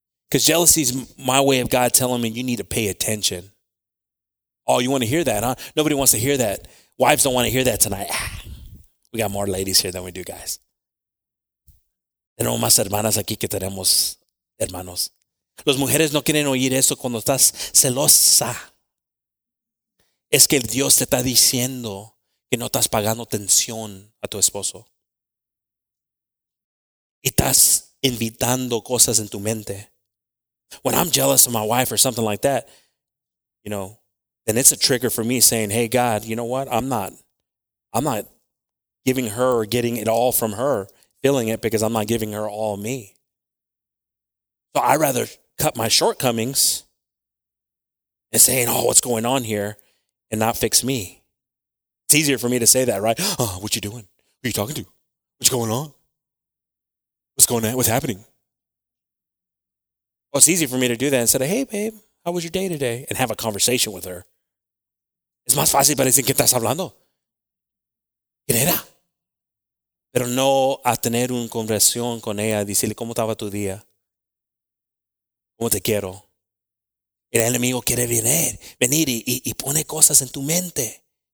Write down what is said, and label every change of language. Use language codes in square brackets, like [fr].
[en] Because jealousy is my way of God telling me you need to pay attention. Oh, you want to hear that, huh? Nobody wants to hear that. Wives don't want to hear that tonight. We got more ladies here than we do, guys. [es] Tenemos más hermanas aquí que tenemos hermanos. Las mujeres no quieren oír eso cuando estás celosa. Es que Dios te está diciendo que no estás pagando atención a tu esposo. Y estás invitando cosas en tu mente. [en] When I'm jealous of my wife or something like that, you know, then it's a trigger for me saying, hey, God, you know what? I'm not giving her or getting it all from her, feeling it, because I'm not giving her all me. So I'd rather cut my shortcomings and saying, oh, what's going on here? And not fix me. It's easier for me to say that, right? Oh, what you doing? Who are you talking to? What's going on? What's going on? What's happening? Well, it's easy for me to do that instead of, hey, babe, how was your day today? And have a conversation with her. [es] Es más fácil para decir, ¿qué estás hablando? ¿Quién era? Pero no a tener una conversación con ella, decirle, ¿cómo estaba tu día? ¿Cómo te quiero? El enemigo quiere venir y pone cosas en tu mente.